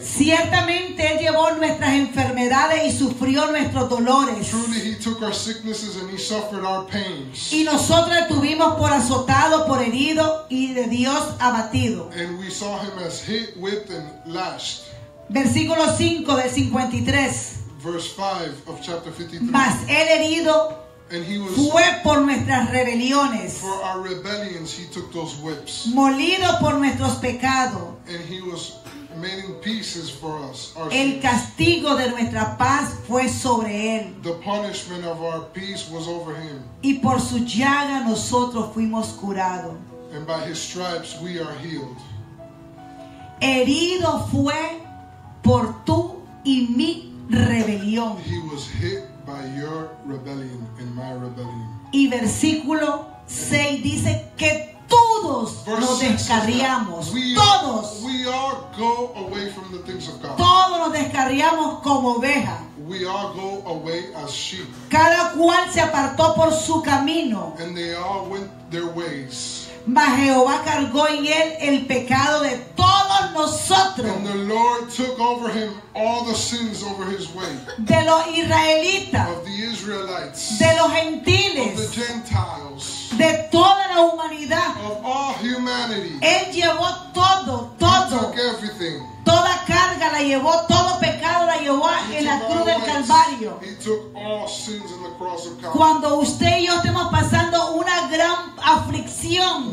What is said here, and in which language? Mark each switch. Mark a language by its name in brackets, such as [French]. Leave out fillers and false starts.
[Spanish] Ciertamente él llevó nuestras enfermedades y sufrió nuestros dolores. [English] Truly he took our sicknesses and he suffered our pains. [Spanish] Y nosotros estuvimos por azotado, por herido y de Dios abatido. [English] And we saw him as hit, whipped and lashed. [Spanish] Versículo 5 del 53. [English] Verse 5 of chapter 53. [Spanish] Mas el herido [English] and he was [Spanish] fue por nuestras rebeliones. [English] For our rebellions he took those whips. [Spanish] Molido por nuestros pecados. [English] And he was made in pieces for us. Our [Spanish] el castigo de nuestra paz fue sobre él. [English] The punishment of our peace was over him. [Spanish] Y por su llaga nosotros fuimos curados. [English] And by his stripes we are healed. [Spanish] Herido fue por tú y mi rebelión. [English] He was hit by your rebellion and my rebellion. [Spanish] Y versículo 6 dice que todos nos descarriamos. Todos. [English] We all go away from the things of God. [Spanish] Todos nos descarriamos como oveja. [English] We all go away as sheep. [Spanish] Cada cual se apartó por su camino. [English] And they all went their ways. [Spanish] Mas Jehová cargó en él el pecado de todos nosotros. [English] And the Lord took over him all the sins over his way. [Spanish] De los israelitas. [English] Of the Israelites. [Spanish] De los gentiles. [English] Of the Gentiles. [Spanish] De toda la humanidad. [English] Of all humanity. [Spanish] Él llevó todo, todo. [English] He took everything. [Spanish] Toda carga la llevó, todo pecado la llevó en la cruz del Calvario. [English] He took all sins in the cross of Calvary. [Spanish] Cuando usted y yo estemos pasando una gran aflicción,